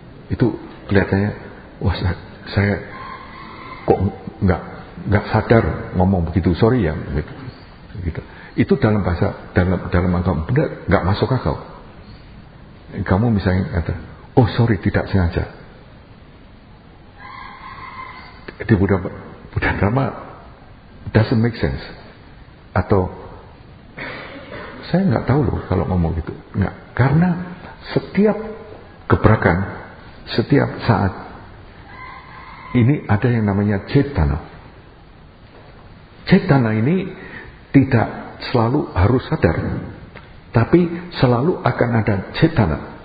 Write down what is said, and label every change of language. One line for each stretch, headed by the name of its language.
Indonesian: Itu kelihatannya, wah, saya kok nggak sadar ngomong begitu, sorry ya. Gitu. Itu dalam bahasa, dalam agama Buddha nggak masuk akal. Kamu misalnya kata, oh sorry, tidak sengaja. Di
English: Buddha Dhamma doesn't make sense.
Indonesian: Atau saya nggak tahu loh kalau ngomong gitu, nggak, karena setiap gebrakan, setiap saat ini ada yang namanya cetana. Cetana ini tidak selalu harus sadar, tapi selalu akan ada cetana.